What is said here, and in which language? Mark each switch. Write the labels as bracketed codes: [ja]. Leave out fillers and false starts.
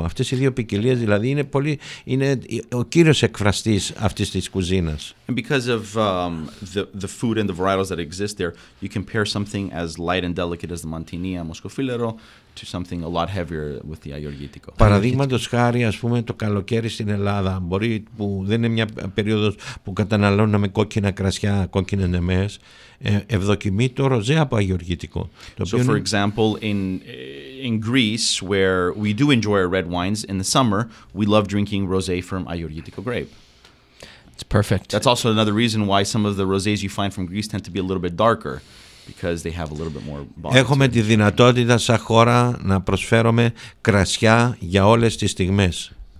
[el] Αυτές οι δύο ποικιλίες δηλαδή είναι ο κύριος εκφραστής αυτής της κουζίνας. [en] And because of the food and the varietals that exist there, you can pair something as light and delicate as the Mantinia Moscofilero to something a lot heavier with the Αγιοργήτικο. [el] Παραδείγματος χάρη, ας πούμε, το καλοκαίρι στην Ελλάδα, μπορεί που δεν είναι μια περίοδος που καταναλώνουμε κόκκινα κρασιά, κόκκινες νεμές, ευδοκιμεί το ροζέ από Αγιοργήτικο. [en] So, for example, in Greece, where we do enjoy our red wines in the summer, we love drinking rosé from Αγιοργήτικο grape. It's perfect. That's also another reason why some of the rosés you find from Greece tend to be a little bit darker, because they have a little bit more bottles. [el] Έχουμε τη δυνατότητα σαν χώρα να προσφέρουμε κρασιά για όλες τις στιγμές.